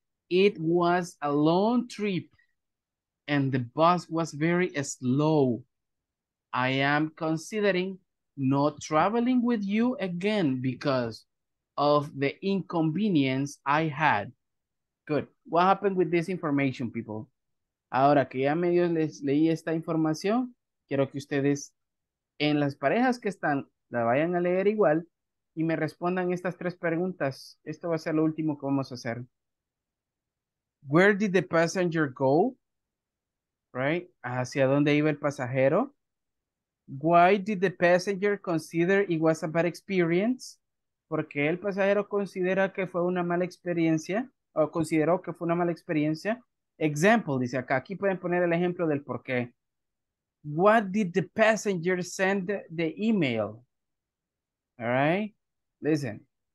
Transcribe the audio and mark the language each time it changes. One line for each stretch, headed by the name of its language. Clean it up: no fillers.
English: It was a long trip and the bus was very slow. I am considering not traveling with you again because of the inconvenience I had. Good. What happened with this information, people?
Spanish: Ahora que ya medio les leí esta información, quiero que ustedes en las parejas que están la vayan a leer igual y me respondan estas tres preguntas. Esto va a ser lo último que vamos a hacer.
English: Where did the passenger go? Right?
Spanish: ¿Hacia dónde iba el pasajero?
English: Why did the passenger consider it was a bad experience?
Spanish: ¿Por qué el pasajero considera que fue una mala experiencia? O consideró que fue una mala experiencia. Example, dice acá.
English: Aquí pueden poner el ejemplo del por qué. What did the passenger send the email? All right? Listen.